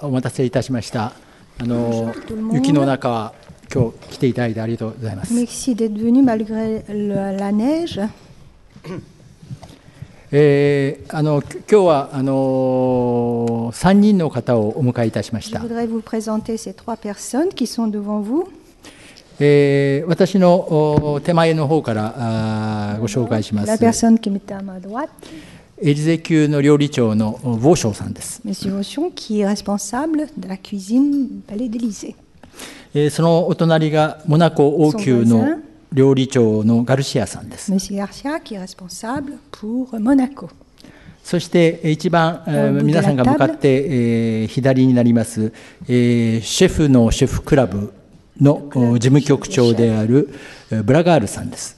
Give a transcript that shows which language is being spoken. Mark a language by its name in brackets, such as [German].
[Japanese] お待たせいたしました。雪の中今日来ていただいてありがとうございます。 [French] Merci d'être venu malgré la neige. [Japanese] 今日は3人の方をお迎えいたしました。 [French] Je voudrais vous présenter ces trois personnes qui sont devant vous. [Japanese] 私の手前の方からご紹介します。 [French] La personne qui m'était à ma droite. [Japanese] エリゼ宮の料理長のヴォーションさんです。 [French] Monsieur Vauchon, qui est responsable de la cuisine du Palais d'Élysée. [Japanese] そのお隣がモナコ王宮の料理長のガルシアさんです。 [French] Monsieur Garcia, qui est responsable pour Monaco. [Japanese] そして一番皆さんが向かって左になります、シェフのシェフクラブの事務局長であるブラガールさんです。